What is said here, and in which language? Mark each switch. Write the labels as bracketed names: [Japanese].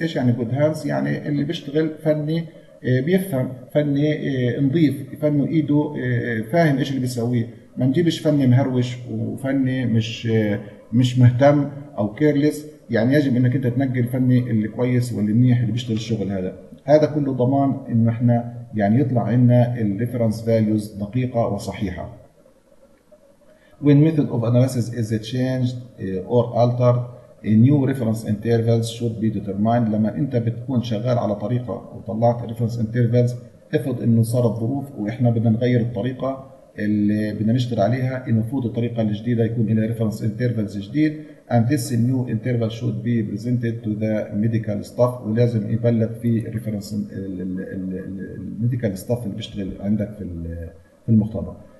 [Arabic] ايش يعني جود هاندز؟ يعني اللي بيشتغل فني بيفهم، فني نظيف، فني ايده فاهم ايش اللي بيسويه، ما نجيبش فني مهروش وفني مش مهتم او كيرلس. يعني يجب انك انت تنقي الفني اللي كويس واللي منيح اللي بيشتغل الشغل هذا، هذا كله ضمان ان احنا يعني يطلع عندنا الريفرنس فاليوز دقيقه وصحيحه. [English] When method of analysis is changed or altered, a new reference intervals should be determined. [Arabic] لما انت بتكون شغال على طريقه وطلعت الريفرنس انترفالز افرض انه صارت ظروف واحنا بدنا نغير الطريقه اللي بدنا نشتغل عليها، المفروض الطريقه الجديده يكون لها ريفرنس انترفالز جديد. [English] And this new interval should be presented to the medical staff. [Arabic] ولازم يبلغ في ريفرنس الميديكال ستاف اللي بيشتغل عندك في المختبر.